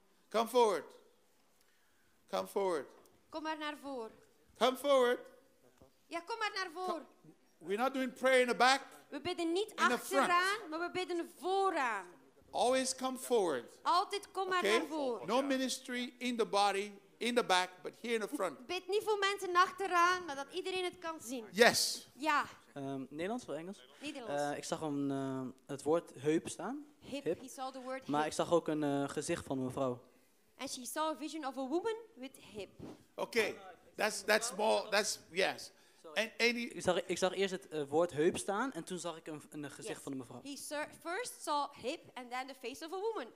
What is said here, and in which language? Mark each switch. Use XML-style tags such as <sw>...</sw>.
<en>Come forward. Come forward.</en> <nl>Kom maar naar voor.</nl> <en>Come forward.</en> <nl>Ja, kom maar naar voor.</nl> <en>We're not doing prayer in the back.</en> <nl>We bidden niet achteraan, maar we bidden vooraan.</nl> <en>Always come forward.</en> <nl>Altijd kom maar naar voor.</nl> <en>No ministry in the body, in the back, but here in the front.</en> <nl>Bid niet voor mensen achteraan, maar dat iedereen het kan zien.</nl> <en>Yes.</en> <nl>Ja. Nederlands of Engels? Nederlands. Ik zag het woord heup staan.</nl> <en>Hip. He saw the word hip.</en> <nl>Maar ik zag ook een gezicht van een vrouw.</nl> <en>And she saw a vision of a woman with hip. Okay. That's yes.</en> <nl>Ik zag eerst het woord heup staan en toen zag ik een gezicht van een mevrouw.</nl> <en>He first saw hip and then the face of a woman.</en>